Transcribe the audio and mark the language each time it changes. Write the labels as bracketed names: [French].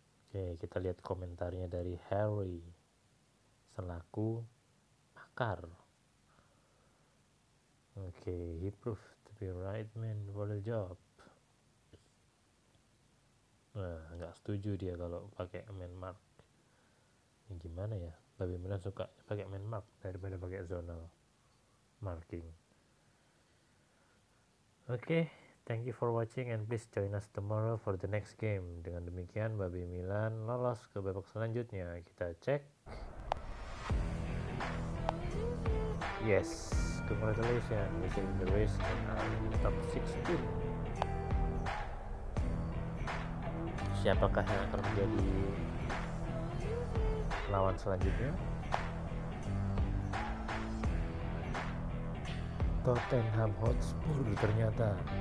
[Indonesian] Oke, kita lihat komentarnya dari Harry, selaku pakar. [English] Oke, he proved to be right man for the job. [Indonesian] Nah, gak setuju dia kalau pakai man mark. Ini gimana ya? Tapi Milan suka pakai man mark daripada pakai zonal marking. [English] Okay, thank you for watching and please join us tomorrow for the next game. [Indonesian] Dengan demikian, Babi Milan lolos ke babak selanjutnya. Kita cek. [English] Yes, congratulations. We are in the race and are in top 16. [Indonesian] Siapakah yang akan menjadi lawan selanjutnya? Tottenham Hotspur ternyata.